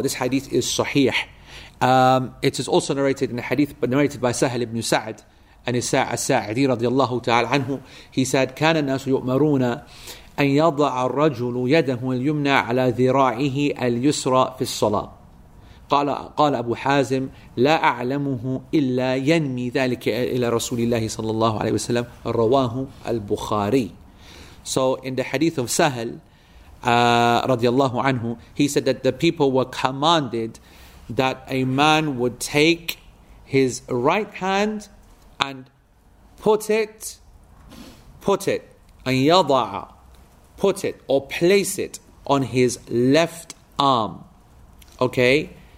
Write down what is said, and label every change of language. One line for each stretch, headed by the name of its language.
English: This hadith is sahih. It is also narrated in a hadith but narrated by Sahal ibn Sa'd. And As-Sa'di radiallahu ta'ala anhu, he said,
Arabic: كان الناس يؤمرون أن يضع الرجل يده اليمنى على ذراعه اليسرى في الصلاة. قال أبو حازم لا أعلمه إلا ينمي ذلك إلى رسول الله صلى الله عليه وسلم رواه البخاري.
English: So in the hadith of Sahal radiallahu anhu, he said that the people were commanded that a man would take his right hand and put it, and yada'a, put it or place it on his left arm. Okay?